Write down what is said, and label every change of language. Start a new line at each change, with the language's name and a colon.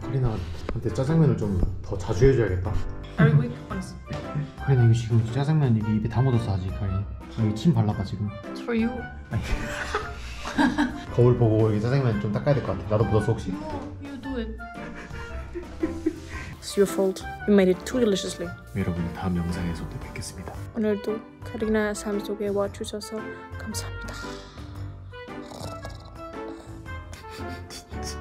Korean: 카리나한테 짜장면을 좀 더 자주 해줘야겠다.
English: Every week, once.
Korean: 카리나 이거 지금 짜장면 이게 입에 다 묻었어 아직 카리나 여기 침 발라봐 지금
English: It's for you
Korean: 거울 보고 여기 짜장면 좀 닦아야 될 것 같아 나도 묻었어 혹시
English: No, you do it It's your fault You made it too deliciously
Korean: 여러분 다음 영상에서도 뵙겠습니다 오늘도 카리나 삶 속에 와주셔서 감사합니다